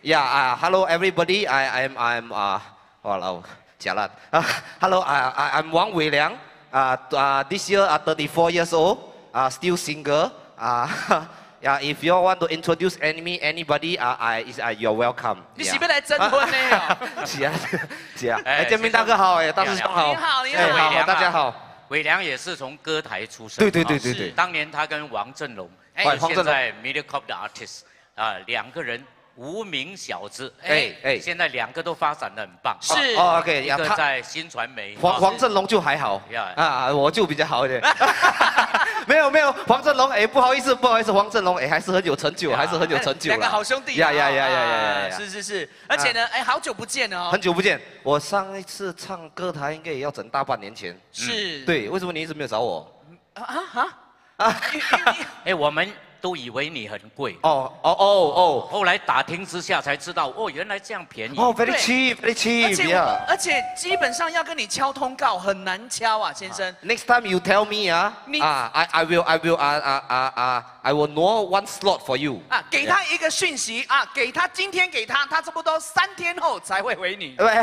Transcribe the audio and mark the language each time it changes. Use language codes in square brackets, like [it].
[en] Yeah, hello everybody. I'm [zh] 假烂。 [en] Hello, I'm Wang Weiliang. This year, 34 years old. Still single. Yeah, if you want to introduce anybody, you're welcome. [zh] 你是不是来征婚的？是啊，是啊。哎，建明大哥好，哎，大师兄好。你好，你好，大家好。伟良也是从歌台出身。对对对对对。当年他跟王振龙，哎，现在 MediaCorp 的 artist， 啊，两个人无名小子，哎哎，现在两个都发展得很棒。是。 OK，一个在新传媒。王振龙就还好。啊，我就比较好一点。没有没有，黄振龙，哎，不好意思不好意思，黄振龙，哎，还是很有成就，还是很有成就了。两个好兄弟。呀呀呀呀呀！是是是，而且呢，哎，好久不见了哦。很久不见，我上一次唱歌台应该也要整大半年前。是。对，为什么你一直没有找我？啊啊！哎，我们都以为你很贵。哦哦哦哦！后来打听之下才知道，哦，原来这样便宜。 [en] 哦 ，very cheap, very cheap。 [zh] 而且基本上要跟你敲通告很难敲啊，先生。 [en] Next time you tell me 啊，I will know one slot for you。 [zh] 啊，给他一个讯息啊，给他今天给他，他差不多三天后才会回你。